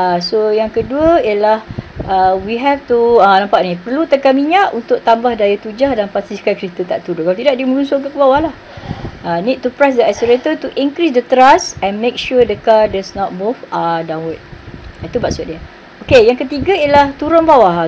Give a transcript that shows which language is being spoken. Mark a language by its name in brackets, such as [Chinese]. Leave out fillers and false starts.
[Malay] So yang kedua ialah [English] we have to, [Malay] nampak ni, perlu tekan minyak untuk tambah daya tujah dan pastikan kereta tak turun. Kalau tidak, dia merosot ke bawah lah. [English] Need to press the accelerator to increase the thrust and make sure the car does not move downward. [Malay] Itu maksud dia. Okay, yang ketiga ialah turun bawah.